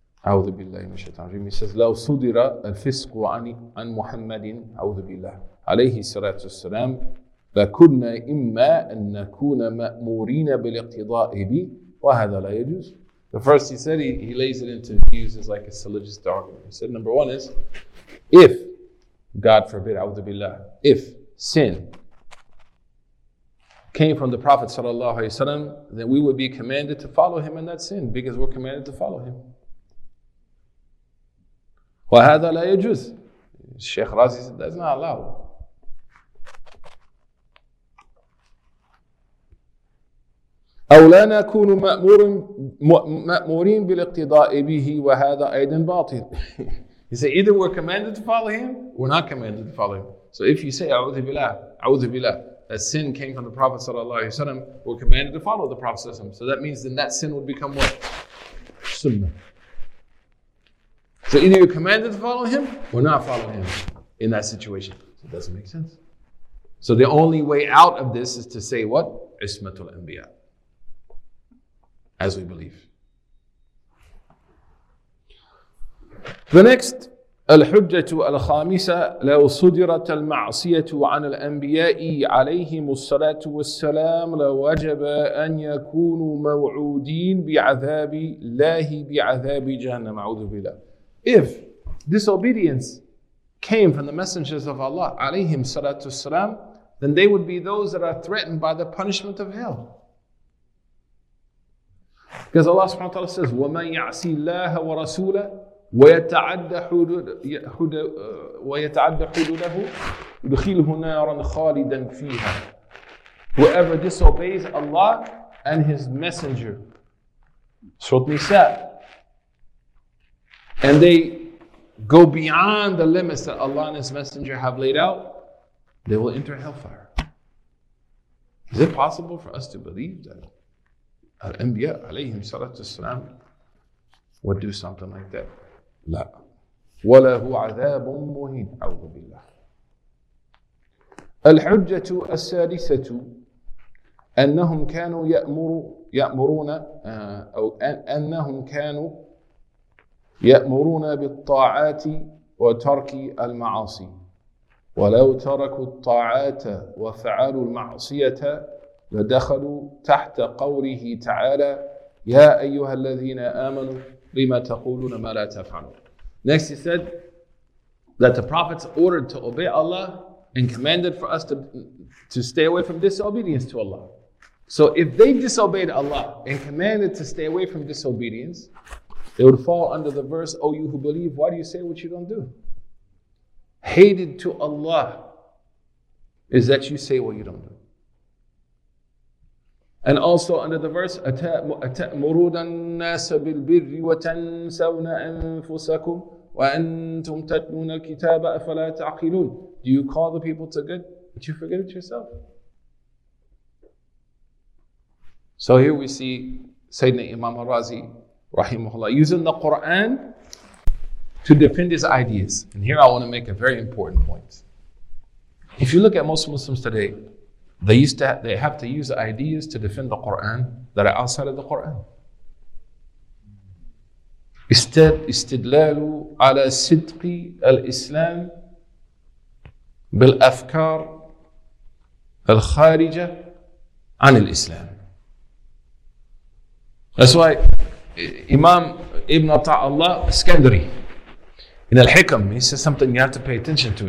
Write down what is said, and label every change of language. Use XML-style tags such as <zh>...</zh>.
<ar>أعوذ بالله من الشيطان الرجيم.</ar> <en>He says,</en> <ar>لو صدر الفسق عن محمد أعوذ بالله عليه الصلاة والسلام لكنا إما أن نكون مأمورين بالاقتضاء به وهذا لا يجوز.</ar> <en>The first he said, he lays it into views as like a syllogistic argument. He said, number one is, if, God forbid,</en> <ar>أعوذ بالله,</ar> <en>if sin came from the Prophet sallallahu alaihi wasallam, then we would be commanded to follow him in that sin because we're commanded to follow him.</en> <ar>وهذا لا يجوز.</ar> <en>Sheikh Razi said that's not allowed.</en> <ar>أو لا نكون مأمورين بالاقتضاء به وهذا أيضا باطل.</ar> <en>He said either we're commanded to follow him, we're not commanded to follow him. So if you say</en> <ar>أعوذ بالله, أعوذ بالله,</ar> <en>that sin came from the Prophet sallallahu alaihi wasallam, we're commanded to follow the Prophet sallallahu alaihi wasallam. So that means then that sin would become what? Sunnah. So either you're commanded to follow him or not follow him in that situation. So it doesn't make sense. So the only way out of this is to say what? Ismatul Anbiya. As we believe. The next,</en> <ar>الحجة الخامسة لو صدرت المعصية عن الأنبياء عليهم الصلاة والسلام لوجب أن يكونوا موعودين بعذاب الله بعذاب جهنم أعوذ بالله.</ar> <en>If disobedience came from the messengers of Allah</en> <ar>عليهم الصلاة والسلام,</ar> <en>then they would be those that are threatened by the punishment of hell. Because Allah subhanahu wa ta'ala says,</en> <ar>وَمَنْ يَعْصِي اللَّهَ وَرَسُولَهُ ويتعدى حدوده يدخله نارا خالدا فيها.</ar> <en>Whoever disobeys Allah and His Messenger, Surah Nisa, and they go beyond the limits that Allah and His Messenger have laid out, they will enter hellfire. Is it possible for us to believe that al-anbiya alayhim salatu wasalam would do something like that?</en> <ar>لا وله عذاب مهين أعوذ بالله. الحجة السادسة أنهم كانوا يأمرون أو أنهم كانوا يأمرون بالطاعات وترك المعاصي ولو تركوا الطاعات وفعلوا المعصية لدخلوا تحت قوله تعالى يا أيها الذين آمنوا لما تقولون ما لا تفعلون.</ar> <en>Next, he said that the prophets ordered to obey Allah and commanded for us to stay away from disobedience to Allah. So if they disobeyed Allah and commanded to stay away from disobedience, they would fall under the verse, O you who believe, why do you say what you don't do? Hated to Allah is that you say what you don't do. And also under the verse,</en> <ar>أَتَأْمُرُونَ النَّاسَ بِالْبِرِّ وَتَنْسَوْنَ أَنفُسَكُمْ وَأَنْتُمْ تَتْنُونَ الْكِتَابَ أَفَلَا تَعْقِلُونَ.</ar> <en>Do you call the people to good, but you forget it yourself? So here we see Sayyidina Imam al-Razi, rahimahullah, using the Qur'an to defend his ideas. And here I want to make a very important point. If you look at most Muslims today, they have to use ideas to defend the Qur'an that are outside of the Qur'an.</en> <ar>استدلال على صدق الإسلام بالأفكار الخارجة عن الإسلام.</ar> <en>That's why Imam Ibn Ta'Allah Iskandari in Al-Hikam, he says something you have to pay attention to.</en>